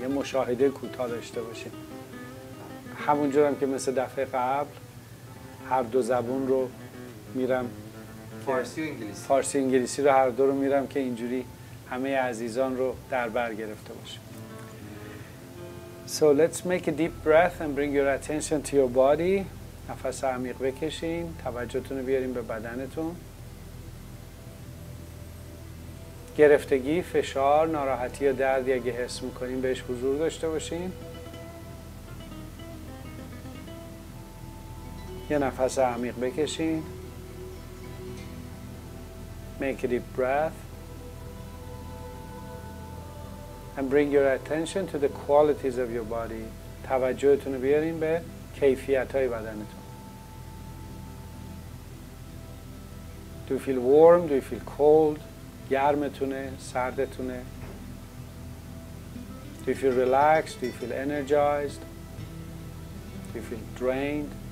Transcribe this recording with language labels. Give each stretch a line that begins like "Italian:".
Persian: یه مشاهده کوتاه داشته باشیم. همونجور هم که مثل دفعه قبل هر دو زبون رو میرم فارسی و انگلیسی. فارسی و انگلیسی رو هر دو رو میرم که اینجوری همه عزیزان رو در بر گرفته باشیم.
English: So let's make a deep breath and bring your attention to your body.
Persian: نفس عمیق بکشین، توجهتون رو بیارین به بدنتون. گرفتگی، فشار، ناراحتی یا دردی اگه حس میکنین بهش حضور داشته باشین. یه نفس عمیق بکشین.
English: Make a deep breath. And bring your attention to the qualities of your body.
Persian: توجهتون رو بیارین به کیفیت‌های بدنتون.
English: Do you feel warm? Do you feel cold?
Persian: گرمتونه، سردتونه؟
English: Do you feel relaxed? Do you feel energized? Do you feel drained?